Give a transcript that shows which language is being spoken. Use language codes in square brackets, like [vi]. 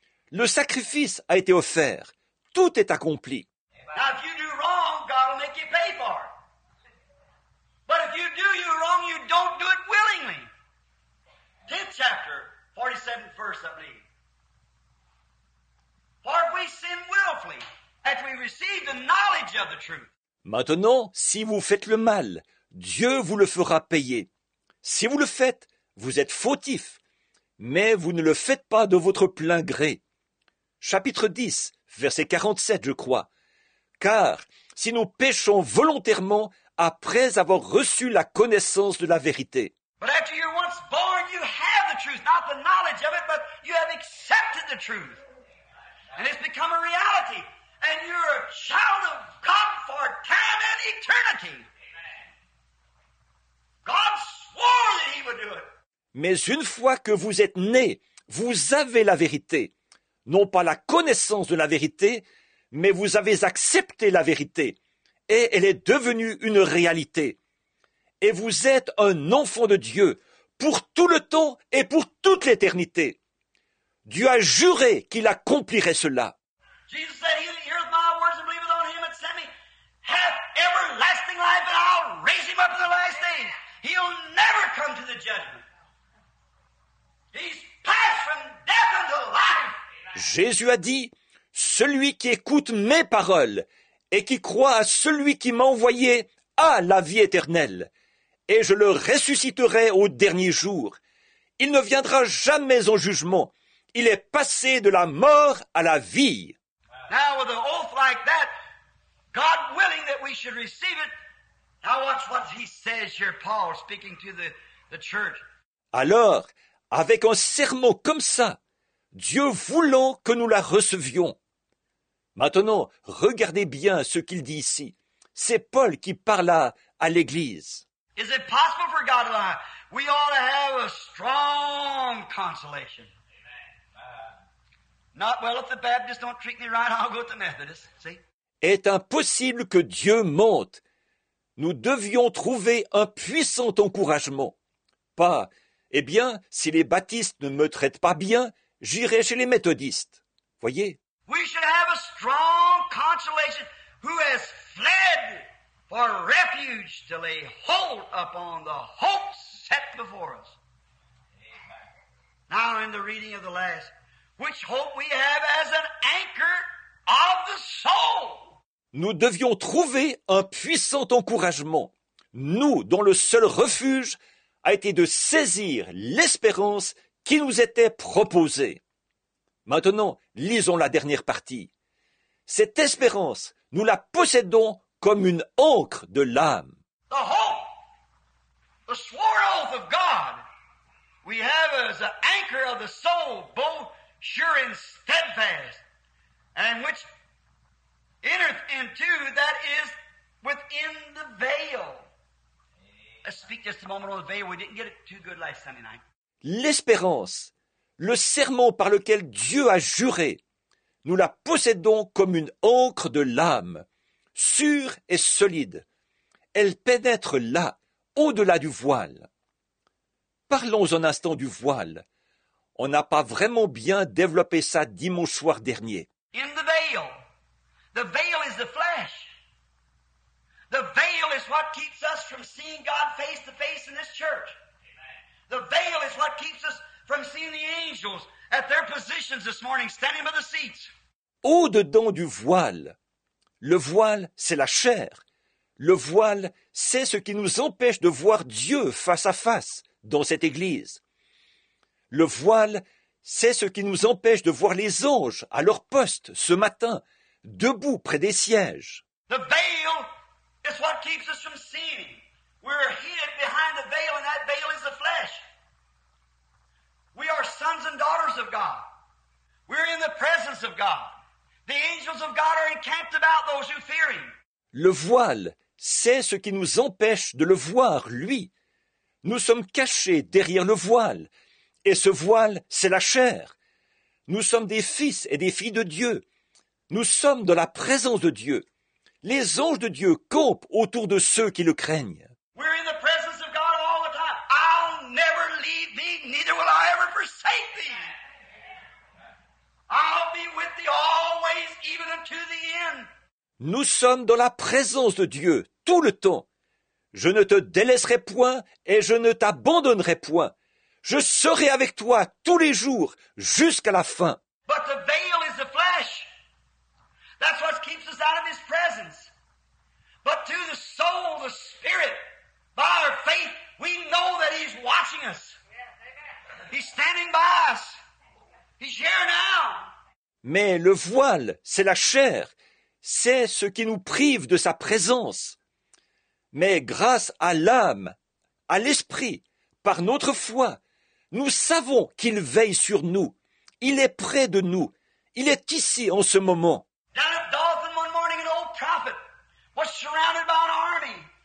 [fr] Le sacrifice a été offert. Tout est accompli. [en] Now, if you do wrong, God will make you pay for it. But if you do you wrong, you don't do it willingly. 10th chapter, 47 verse, I believe. For we sin willfully, as we receive the knowledge of the truth. [fr] Maintenant, si vous faites le mal, Dieu vous le fera payer. Si vous le faites, vous êtes fautif, mais vous ne le faites pas de votre plein gré. Chapitre 10, verset 47, je crois. Car si nous péchons volontairement après avoir reçu la connaissance de la vérité. [en] But after you're once born, you have the truth, not the knowledge of it, but you have accepted the truth. And it's become a reality. And you're a child of God for time and eternity. Amen. God swore that he would do it. [fr] Mais une fois que vous êtes né, vous avez la vérité. Non pas la connaissance de la vérité, mais vous avez accepté la vérité. Et elle est devenue une réalité. et vous êtes un enfant de Dieu pour tout le temps et pour toute l'éternité. Dieu a juré qu'il accomplirait cela. [en] Jesus said, he that heareth my words and believeth on him that sent me hath everlasting life, and I'll raise him up in the last day. He'll never come to the judgment. He's passed from death unto life. [fr] Jésus a dit, celui qui écoute mes paroles et qui croit à celui qui m'a envoyé a la vie éternelle, et je le ressusciterai au dernier jour. Il ne viendra jamais en jugement. Il est passé de la mort à la vie. [en] Now with an oath like that, God willing that we should receive it. Now watch what he says here, Paul speaking to the church. [fr] Alors, avec un serment comme ça, Dieu voulant que nous la recevions. Maintenant, regardez bien ce qu'il dit ici. C'est Paul qui parle à l'Église. [en] Is it possible for God to lie? We ought to have a strong consolation. Not well, if the Baptists don't treat me right, I'll go to the Methodist. See? [fr] Est impossible que Dieu mente. Nous devions trouver un puissant encouragement. Pas, eh bien, si les Baptistes ne me traitent pas bien, j'irai chez les méthodistes. Voyez. [en] We should have a strong consolation who has fled for refuge to lay hold upon the hope set before us. Now in the reading of the last, which hope we have as an anchor of the soul. [fr] Nous devions trouver un puissant encouragement. Nous, dont le seul refuge a été de saisir l'espérance qui nous était proposé. Maintenant, lisons la dernière partie. Cette espérance, nous la possédons comme une ancre de l'âme. [en] The hope, the sworn oath of God, we have as an anchor of the soul, both sure and steadfast, and which entereth into that is within the veil. Let's speak just a moment on the veil. We didn't get it too good last Sunday night. [fr] L'espérance, le serment par lequel Dieu a juré, nous la possédons comme une ancre de l'âme, sûre et solide. Elle pénètre là, au-delà du voile. Parlons un instant du voile. On n'a pas vraiment bien développé ça dimanche soir dernier. [en] In the veil is the flesh. The veil is what keeps us from seeing God face to face in this church. The veil is what keeps us from seeing the angels at their positions this morning, standing by the seats. [fr] Au-dedans du voile. Le voile, c'est la chair. Le voile, c'est ce qui nous empêche de voir Dieu face à face dans cette église. Le voile, c'est ce qui nous empêche de voir les anges à leur poste ce matin, debout près des sièges. [en] The veil is what keeps us from seeing. We're hid behind the veil, and that veil is the flesh. We are sons and daughters of God. We're in the presence of God. The angels of God are encamped about those who fear him. [fr] Le voile, c'est ce qui nous empêche de le voir, lui. Nous sommes cachés derrière le voile, et ce voile, c'est la chair. Nous sommes des fils et des filles de Dieu. Nous sommes dans la présence de Dieu. Les anges de Dieu campent autour de ceux qui le craignent. [en] We're in the presence of God all the time. I'll never leave thee, neither will I ever forsake thee. I'll be with thee always, even unto the end. [fr] Nous sommes dans la présence de Dieu tout le temps. Je ne te délaisserai point et je ne t'abandonnerai point. Je serai avec toi tous les jours jusqu'à la fin. [en] But the veil is the flesh. That's what keeps us out of his presence. But to the soul, the spirit, by our faith, we know that he's watching us. He's standing by us. He's here now. [fr] Mais le voile, c'est la chair. C'est ce qui nous prive de sa présence. Mais grâce à l'âme, à l'esprit, par notre foi, nous savons qu'il veille sur nous. Il est près de nous. Il est ici en ce moment. [en] Down at Dalton one morning, an old prophet was surrounded by an army.